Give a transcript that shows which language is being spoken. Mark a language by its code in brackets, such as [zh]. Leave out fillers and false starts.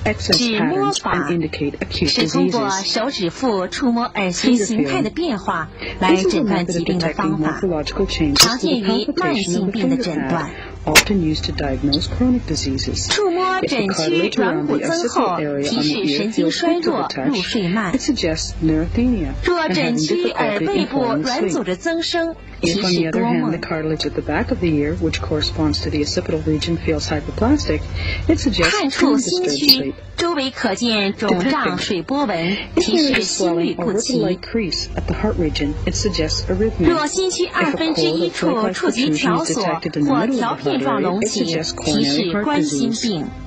[zh] 指摸法是通过手指腹触摸耳穴形态的变化来诊断疾病的方法，常见于慢性病的诊断。 [en] Often used to diagnose chronic diseases. [zh] 触摸枕区软骨增厚，提示神经衰弱、入睡慢。 [en] It suggests neurasthenia. [zh] 若枕区耳背部软组织增生，提示多梦。 [en] If on the other hand, the cartilage at the back of the ear, which corresponds to the occipital region, feels hyperplastic, it suggests dream [zh] 探触心区，周围可见肿胀、水波纹，提示心律不齐。 [en] If there is a swelling or ribbon-like crease at the heart region, it suggests arrhythmia. [zh] 若心区二分之一处触及条索或条片状隆起，提示冠心病。